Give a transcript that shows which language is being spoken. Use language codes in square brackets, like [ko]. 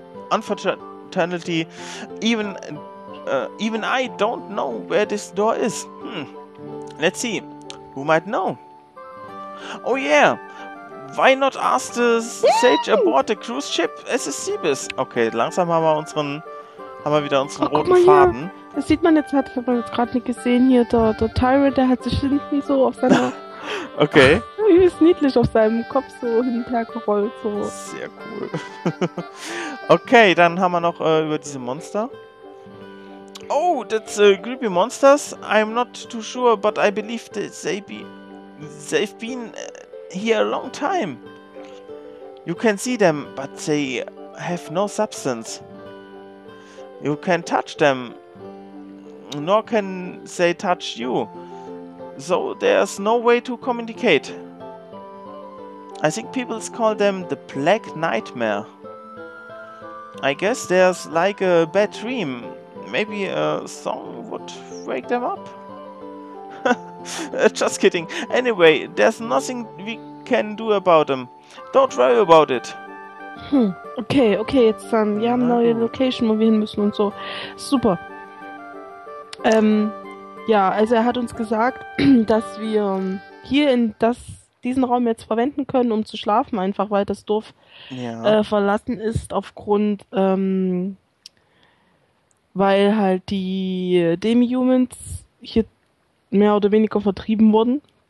[en] Unfortunately, even I don't know where this door is. Let's see. Who might know? Oh yeah. Why not ask the sage aboard the cruise ship SS Sibis? [de] Okay, langsam haben wir wieder unseren roten guck mal Faden. Hier. Das sieht man jetzt, hat man jetzt gerade nicht gesehen hier. Der Tyrant, der hat sich hinten so auf seiner. Okay. Ist niedlich auf seinem Kopf so hin und her gerollt. So. Sehr cool. Okay, dann haben wir noch über diese Monster. [en] Oh, that's creepy monsters. I'm not too sure, but I believe that they've been here a long time. You can see them, but they have no substance. You can touch them, nor can they touch you. So there's no way to communicate. I think people call them the Black Nightmare. I guess there's like a bad dream. Maybe a song would wake them up? Just kidding. Anyway, there's nothing we can do about them. Don't worry about it. [de] Okay, jetzt dann. Wir haben neue Location, wo wir hin müssen und so. Super. Ja, also er hat uns gesagt, dass wir hier in das diesen Raum jetzt verwenden können, um zu schlafen, einfach weil das Dorf verlassen ist, aufgrund weil halt die Demi-Humans hier mehr oder weniger vertrieben wurden.